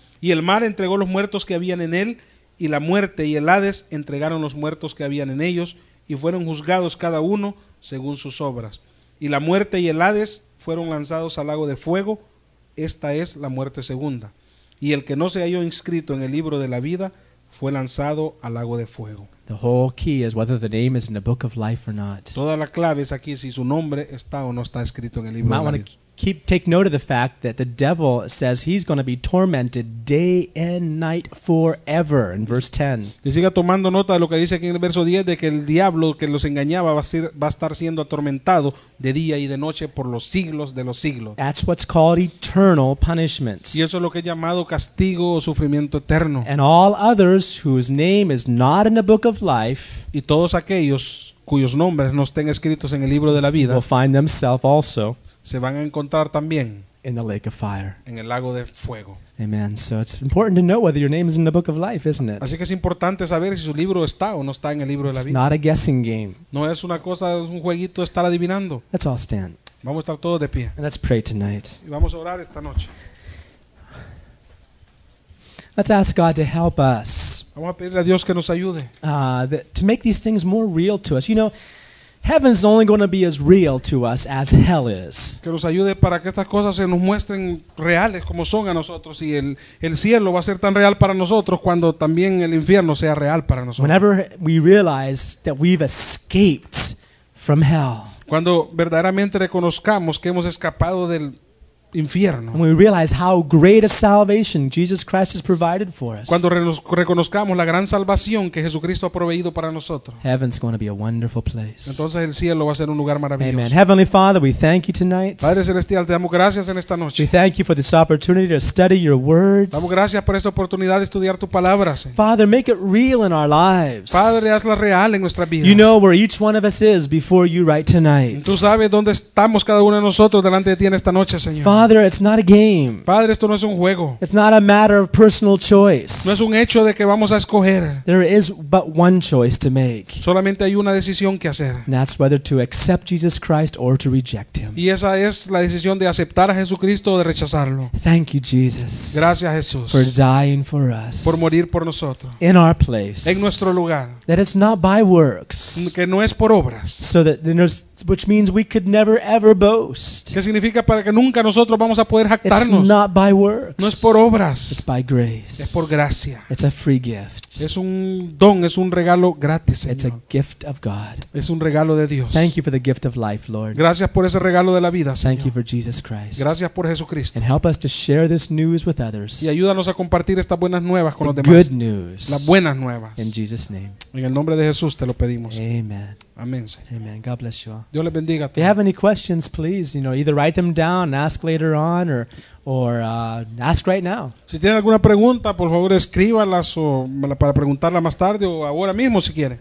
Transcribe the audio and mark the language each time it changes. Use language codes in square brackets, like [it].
[es] Y el mar entregó los muertos que habían en él, y la muerte y el Hades entregaron los muertos que habían en ellos, y fueron juzgados cada uno según sus obras. Y la muerte y el Hades fueron lanzados al lago de fuego, esta es la muerte segunda. Y el que no se halló inscrito en el libro de la vida fue lanzado al lago de fuego. [en] The whole key is whether the name is in the book of life or not. [es] Toda la clave es aquí si su nombre está o no está escrito en el libro de la vida. [en] Take note of the fact that the devil says he's going to be tormented day and night forever in verse 10. [es] Y siga tomando nota de lo que dice aquí en el verso 10 de que el diablo que los engañaba va a estar siendo atormentado de día y de noche por los siglos de los siglos. [en] That's what's called eternal punishment. [es] Y eso es lo que es llamado castigo o sufrimiento eterno. [en] And all others whose name is not in the book of life. [es] Y todos aquellos cuyos nombres no estén escritos en el libro de la vida. [en] Will find themselves also. [es] Se van a encontrar también [en] in the lake of fire. [es] En el lago de fuego. [en] Amen. So it's important to know whether your name is in the book of life, isn't it? [es] Así que es importante saber si su libro está o no está en el libro de la vida. [en] It's not a guessing game. [es] No es una cosa, es un jueguito de estar adivinando. [en] Let's all stand. [es] Vamos a estar todos de pie. [en] And let's pray tonight. [es] Y vamos a orar esta noche. [en] Let's ask God to help us. [es] Vamos a pedirle a Dios que nos ayude. [en] To make these things more real to us. You know, heaven's only going to be as real to us as hell is. [es] Que nos ayude para que estas cosas se nos muestren reales como son a nosotros y el cielo va a ser tan real para nosotros cuando también el infierno sea real para nosotros. [en] Whenever we realize that we've escaped from hell. [es] Cuando verdaderamente reconozcamos que hemos escapado del infierno. [en] When we realize how great a salvation Jesus Christ has provided for us. [es] Cuando reconozcamos la gran salvación que Jesucristo ha proveído para nosotros. [en] Heaven's going to be a wonderful place. [es] Entonces el cielo va a ser un lugar maravilloso. [en] Amen. Heavenly Father, we thank you tonight. [es] Padre celestial, te damos gracias en esta noche. [en] We thank you for this opportunity to study your words. [es] Damos gracias por esta oportunidad de estudiar tu palabra. [en] Father, make it real in our lives. [es] Padre, hazla real en nuestras vidas. [en] You know where each one of us is before you right tonight. [es] Tú sabes dónde estamos cada uno de nosotros delante de ti en esta noche, Señor. [en] Father, it's not a game. [es] Padre, esto no es un juego. [en] It's not a matter of personal choice. [es] No es un hecho de que vamos a escoger. [en] There is but one choice to make. [es] Solamente hay una decisión que hacer. [en] And that's whether to accept Jesus Christ or to reject him. [es] Y esa es la decisión de aceptar a Jesucristo o de rechazarlo. [en] Thank you, Jesus. [es] Gracias, Jesús. [en] For dying for us. [es] Por morir por nosotros. [en] In our place. [es] En nuestro lugar. [en] That it's not by works. [es] Que no es por obras. [en] So that there's which means we could never ever boast. [es] ¿Qué significa para que nunca nosotros vamos a poder jactarnos? [en] It's not by works. [es] No es por obras. [en] It's by grace. [es] Es por gracia. [en] It's a free gift. [es] Es un don, es un regalo gratis, Señor. [en] It's a gift of God. [es] Es un regalo de Dios. [en] Thank you for the gift of life, Lord. [es] Gracias por ese regalo de la vida, Señor. [en] Thank you for Jesus Christ. [es] Gracias por Jesucristo. [en] And help us to share this news with others. [es] Y ayúdanos a compartir estas buenas nuevas con [en] the [es] los demás. [en] Good news. [es] Las buenas nuevas. [en] In Jesus' name. [es] En el nombre de Jesús te lo pedimos. [en] Amen. Amen, [es] Señor. [en] Amen. God bless you all. [es] Dios les bendiga. [en] If you have any questions, please, you know, either write them down, ask later on, or ask right now. [es] Si tiene alguna pregunta, por favor, escríbalas o para preguntarla más tarde o ahora mismo si quiere.